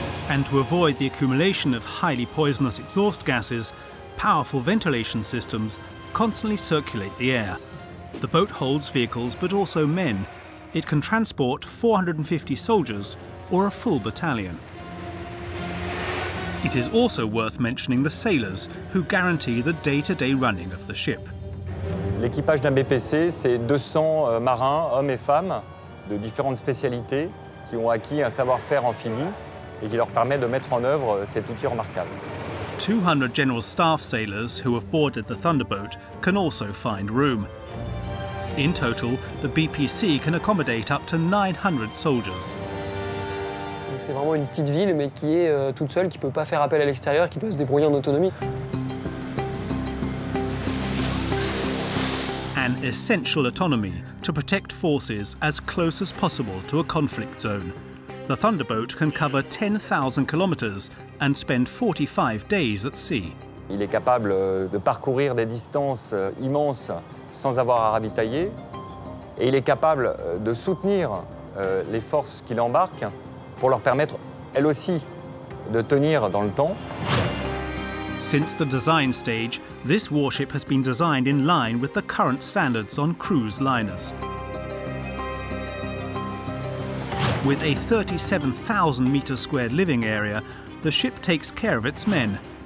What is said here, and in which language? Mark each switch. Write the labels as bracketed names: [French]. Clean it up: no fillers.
[English] And to avoid the accumulation of highly poisonous exhaust gases, powerful ventilation systems constantly circulate the air. The boat holds vehicles, but also men. It can transport 450 soldiers or a full battalion. It is also worth mentioning the sailors who guarantee the day-to-day running of the ship. [French] L'équipage d'un BPC, c'est 200 marins, hommes et femmes, de différentes spécialités, qui ont acquis un savoir-faire amphibie et qui leur permet de mettre en œuvre cet outil remarquable. [English] 200 general staff sailors who have boarded the Thunderboat can also find room. In total, the BPC can accommodate up to 900 soldiers. [French] C'est vraiment une petite ville, mais qui est toute seule, qui ne peut pas faire appel à l'extérieur, qui doit se débrouiller en autonomie. [English] An essential autonomy to protect forces as close as possible to a conflict zone. The Thunderboat can cover 10,000 kilometers and spend 45 days at sea. [French] Il est capable de parcourir des distances immenses sans avoir à ravitailler, et il est capable de soutenir les forces qui l'embarquent pour leur permettre, elles aussi, de tenir dans le temps. [English] Since the design stage, this warship has been designed in line with the current standards on cruise liners. With a 37,000 meter squared living area, the ship takes care of its men.